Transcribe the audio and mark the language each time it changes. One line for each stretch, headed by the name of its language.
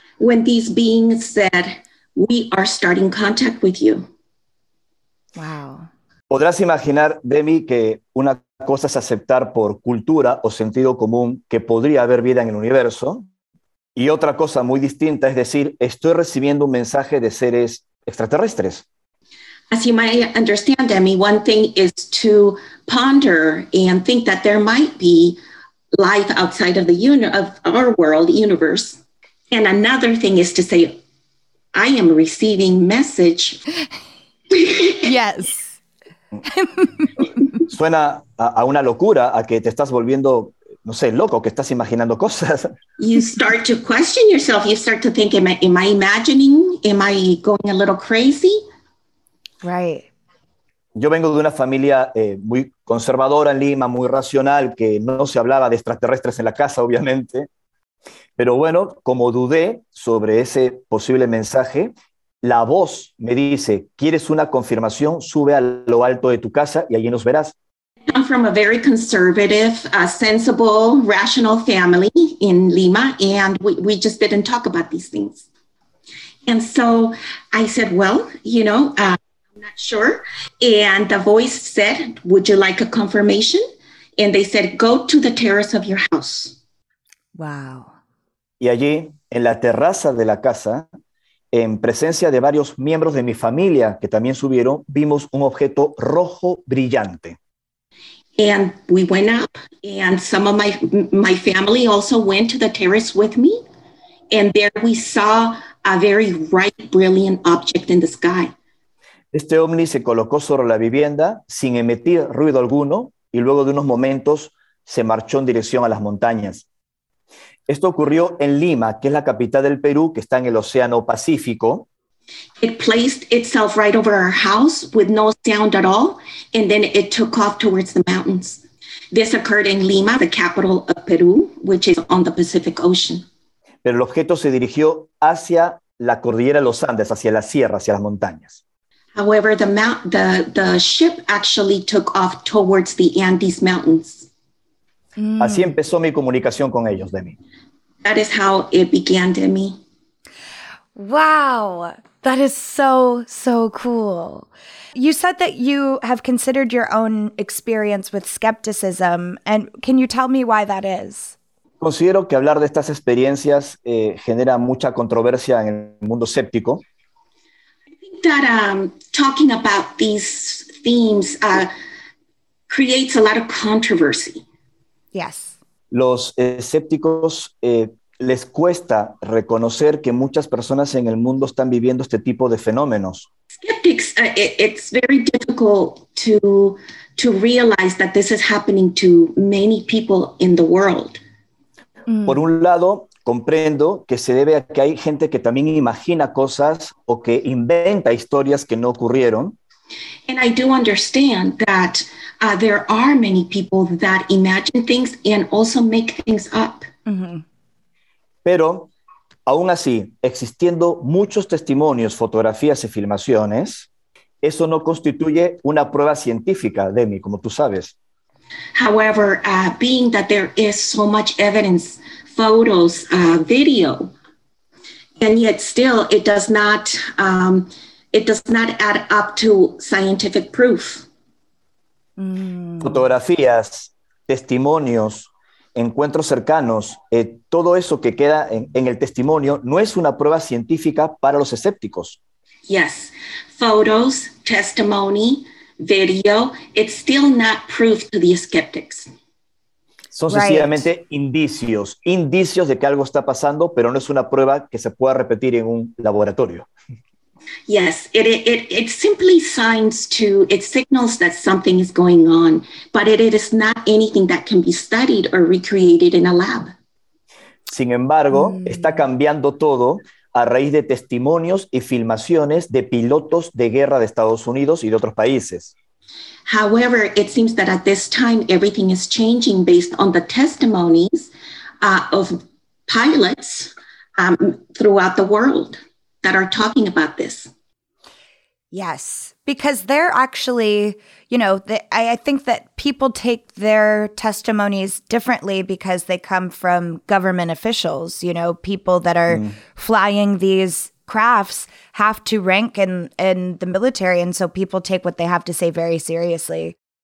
English: When these beings said, we are starting contact with you. Wow.
Spanish: ¿Podrás imaginar, Demi, que una cosa es aceptar por cultura o sentido común que podría haber vida en el universo? Y otra cosa muy distinta es decir, estoy recibiendo un mensaje de seres extraterrestres.
English: As you might understand, Demi, one thing is to ponder and think that there might be life outside of the universe. And another thing is to say, I am receiving message. Yes.
Spanish: Suena a una locura, a que te estás volviendo, no sé, loco, que estás imaginando cosas.
English: You start to question yourself. You start to think, am I imagining? Am I going a little crazy? Right.
Spanish: Yo vengo de una familia muy conservadora en Lima, muy racional, que no se hablaba de extraterrestres en la casa, obviamente. Pero bueno, como dudé sobre ese posible mensaje, la voz me dice, ¿quieres una confirmación? Sube a lo alto de tu casa y allí nos verás.
English: I'm from a very conservative, sensible, rational family in Lima, and we just didn't talk about these things. And so I said, well, I'm not sure. And the voice said, would you like a confirmation? And they said, go to the terrace of your house. Wow.
Spanish: Y allí, en la terraza de la casa, en presencia de varios miembros de mi familia que también subieron, vimos un objeto rojo brillante.
English: And we went up, and some of my family also went to the terrace with me. And there we saw a very bright, brilliant object in the sky.
Spanish: Este ovni se colocó sobre la vivienda sin emitir ruido alguno, y luego de unos momentos se marchó en dirección a las montañas. Esto ocurrió en Lima, que es la capital del Perú, que está en el Océano Pacífico.
English: It placed itself right over our house with no sound at all, and then it took off towards the mountains. This occurred in Lima, the capital of Peru, which is on the Pacific Ocean.
Spanish: Pero el objeto se dirigió hacia la cordillera de los Andes, hacia la sierra, hacia las montañas.
English: However, the ship actually took off towards the Andes Mountains.
Spanish: Así empezó mi comunicación con ellos, Demi.
English: That is how it began, Demi. Wow, that is so, so cool. You said that you have considered your own experience with skepticism, and can you tell me why that is?
Spanish: Considero que hablar de estas experiencias genera mucha controversia en el mundo escéptico.
English: I think that talking about these themes creates a lot of controversy. Yes.
Spanish: Los escépticos les cuesta reconocer que muchas personas en el mundo están viviendo este tipo de fenómenos.
English: Skeptics, it's very difficult to realize that this is happening to many people in the world.
Spanish: Por un lado, comprendo que se debe a que hay gente que también imagina cosas o que inventa historias que no ocurrieron.
English: And I do understand that there are many people that imagine things and also make things up.
Spanish: Pero, aún así, existiendo muchos testimonios, fotografías y filmaciones, eso no constituye una prueba científica, Demi, como tú sabes.
English: However, being that there is so much evidence, photos, video, and yet still it does not add up to scientific proof.
Spanish: Fotografías, testimonios, encuentros cercanos, todo eso que queda en el testimonio no es una prueba científica para los escépticos.
English: Yes, photos, testimony, video, it's still not proof to the skeptics.
Spanish: Son sencillamente indicios de que algo está pasando, pero no es una prueba que se pueda repetir en un laboratorio.
English: Yes, it simply signals that something is going on, but it is not anything that can be studied or recreated in a lab.
Spanish: Sin embargo, está cambiando todo a raíz de testimonios y filmaciones de pilotos de guerra de Estados Unidos y de otros países.
English: However, it seems that at this time, everything is changing based on the testimonies of pilots throughout the world that are talking about this. Yes, because they're actually, you know, I think that people take their testimonies differently because they come from government officials, you know, people that are flying these crafts have to rank in the military, and so people take what they have to say very seriously.